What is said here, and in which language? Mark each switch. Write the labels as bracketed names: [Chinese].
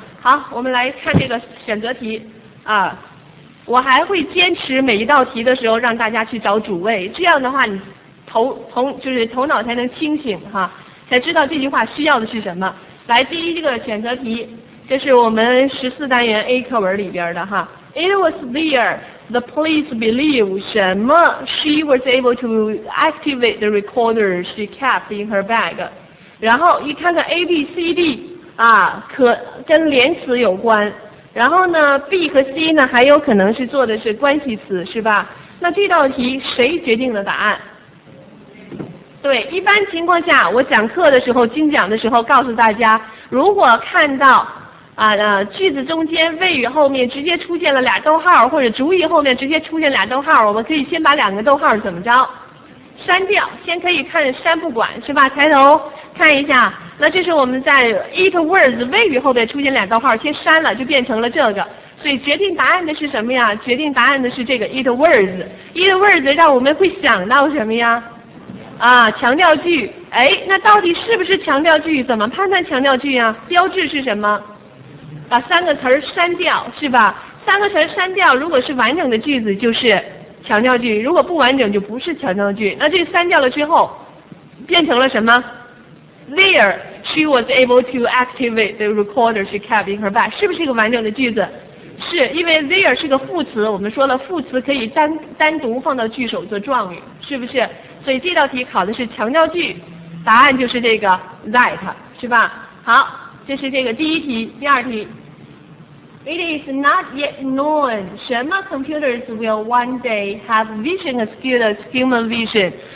[Chinese] 好，我们来看这个选择题啊。我还会坚持每一道题的时候让大家去找主谓，这样的话你头脑才能清醒哈，才知道这句话需要的是什么。来，第一个选择题，这是我们14单元 A 课文里边的哈。 [English] It was there the police believe [Chinese] 什么 [English] she was able to activate the recorder she kept in her bag。 [Chinese] 然后一看看 ABCD 啊，可跟连词有关，然后呢 B 和 C 呢还有可能是做的是关系词，是吧？那这道题谁决定的答案？对，一般情况下我讲课的时候精讲的时候告诉大家，如果看到句子中间谓语后面直接出现了俩逗号，或者主语后面直接出现俩逗号，我们可以先把两个逗号怎么着删掉，先可以看删不管，是吧？抬头看一下，那这是我们在 [English] it was [Chinese] 谓语后面出现俩逗号，先删了就变成了这个。所以决定答案的是什么呀？决定答案的是这个 [English] it was。 it was [Chinese] 让我们会想到什么呀？强调句。哎，那到底是不是强调句？怎么判断强调句啊？标志是什么？把三个词儿删掉，是吧？三个词儿删掉，如果是完整的句子就是强调句，如果不完整就不是强调句。那这删掉了之后变成了什么？ [English] There she was able to activate the recorder she kept in her bag， 是不是一个完整的句子？ [Chinese] 是，因为 there 是个副词，我们说了副词可以单独放到句首做状语，是不是？所以这道题考的是强调句，答案就是这个 that， 是吧？好，这是这个第一题。第二题， [English] It is not yet known [Chinese] 什么 [English] computers will one day have vision as good as human vision。